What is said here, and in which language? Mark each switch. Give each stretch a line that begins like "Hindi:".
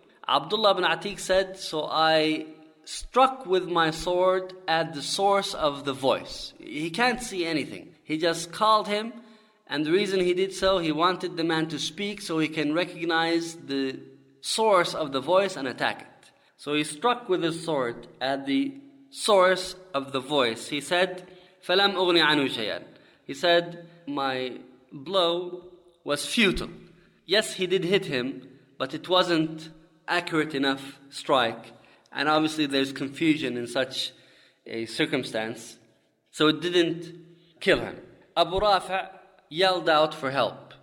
English: Abdullah ibn Atik said, "So I struck with my sword at the source of the voice." He can't see anything. He just called him. And the reason he did so, he wanted the man to speak so he can recognize the source of the voice and attack it. So he struck with his sword at the source of the voice. He said,
Arabic: "فَلَمْ أُغْنِي عَنُهُ شَيْئًا."
English: He said, "My blow was futile." Yes, he did hit him, but it wasn't accurate enough strike. And obviously there's confusion in such a circumstance. So it didn't kill him. Abu Rafa yelled out for help.